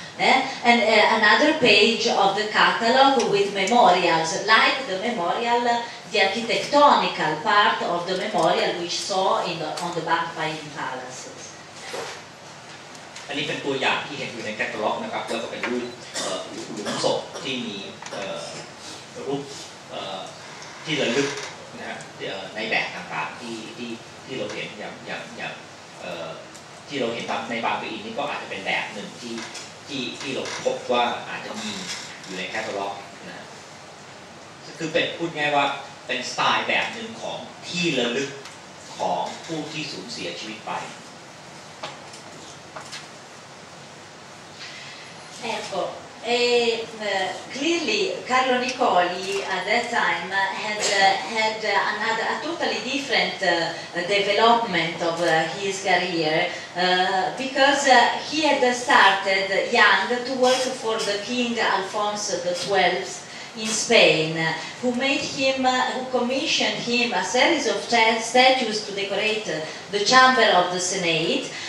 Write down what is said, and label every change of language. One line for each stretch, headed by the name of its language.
English: And another page of the catalog with memorials, like the memorial, the architectonical part of the memorial which saw in the, on the back by the palaces.
Thai: อันนี้เป็นตัวอย่างที่เห็นอยู่ในแคตตาล็อกนะครับแล้วก็เป็นรูปหลุมศพที่มีรูปที่ระลึกนะฮะในแบบต่างๆที่เราเห็นอย่างที่เราเห็นตามในบางปีนี้ก็อาจจะเป็นแบบหนึ่งที่เราพบว่าอาจจะมีอยู่ในแคตตาล็อกนะคือเป็นพูดง่ายว่าเป็นสไตล์แบบหนึ่งของที่ระลึกของผู้ที่สูญเสียชีวิตไป
English: Ecco, clearly Carlo Nicoli at that time had another, a totally different development of his career because he had started young to work for the King Alfonso XII in Spain, who made him, who commissioned him a series of statues to decorate the chamber of the Senate.